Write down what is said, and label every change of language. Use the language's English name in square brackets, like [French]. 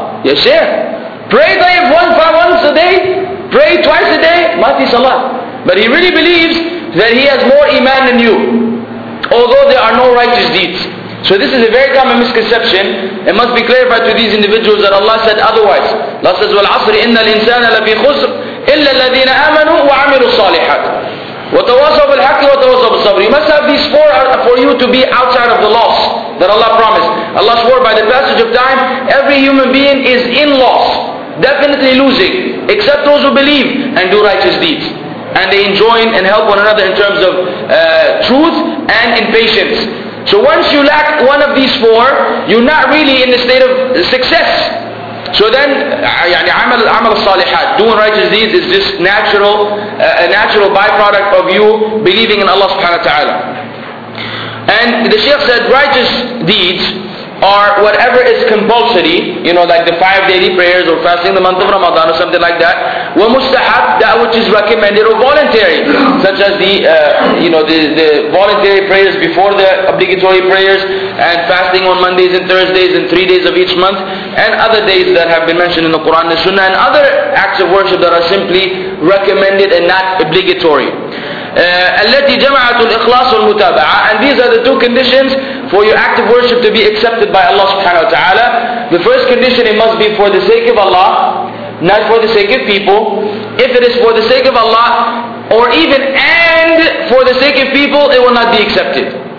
[English] Yes, sir. Pray tayyib once a day. Pray twice a day. Mati salah. But he really believes that he has more iman than you. Although there are no righteous deeds. So this is a very common misconception. It must be clarified to these individuals that Allah said otherwise. [Arabic] Allah says, والعصر إن الإنسان لفي خسر إلا الذين آمنوا وعملوا الصالحات. وَتَوَاصَوْا بِالْحَقِّ وَتَوَاصَوْا بِالصَّبْرِ. [English] You must have these four for you to be outside of the loss that Allah promised. Allah swore by the passage of time, every human being is in loss, definitely losing, except those who believe and do righteous deeds. And they enjoin and help one another in terms of truth and in patience. So once you lack one of these four, you're not really in the state of success. So then, [Arabic] يعني عمل عمل الصالحات, [English] doing righteous deeds is just natural, a natural byproduct of you believing in Allah subhanahu wa ta'ala. And the Shaykh said, righteous deeds are whatever is compulsory, you know, like the five daily prayers or fasting the month of Ramadan or something like that. ومستحب, that which is recommended or voluntary, such as the you know, the voluntary prayers before the obligatory prayers, and fasting on Mondays and Thursdays and 3 days of each month, and other days that have been mentioned in the Quran, the Sunnah, and other acts of worship that are simply recommended and not obligatory. [Arabic] التي جمعت الإخلاص والمتابعة. [English] And these are the two conditions for your act of worship to be accepted by Allah subhanahu wa ta'ala. The first condition, it must be for the sake of Allah, not for the sake of people. If it is for the sake of Allah, or even and for the sake of people, it will not be accepted.